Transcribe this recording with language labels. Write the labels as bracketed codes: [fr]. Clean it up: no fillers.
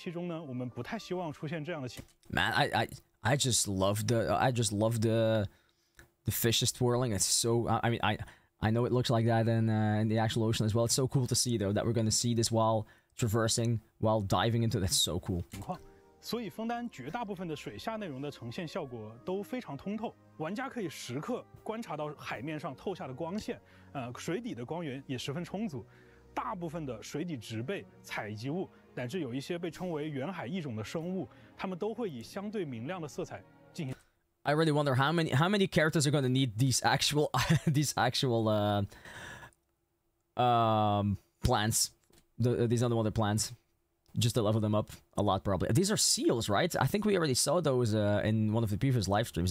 [zh] 我们也希望吸引尽可能多的玩家去探索，所以必须考虑到大众玩家的一个舒适度问题。有些产品或者包括我们自己做设计的时候，都会为了呈现特定的体验，刻意突出一个地区负面压抑的部分。那这种设计确实能表达出有特点的内容，但这是以牺牲玩家体验为代价的。在枫丹水下的设计预期中呢，我们不太希望出现这样的情况。 [en] Man, I just love the fish is swirling. It's so. I mean, I know it looks like that in the actual ocean as well. It's so cool to see, though, that we're going to see this while traversing, while diving into. That's so cool. [zh] 情况，所以枫丹绝大部分的水下内容的呈现效果都非常通透，玩家可以时刻观察到海面上透下的光线，水底的光源也十分充足。大部分的水底植被、采集物，乃至有一些被称为远海异种的生物，它们都会以相对明亮的色彩。 [en] I really wonder how many characters are going to need these actual plants, these underwater plants, just to level them up a lot probably. These are seals, right? I think we already saw those in one of the previous live streams.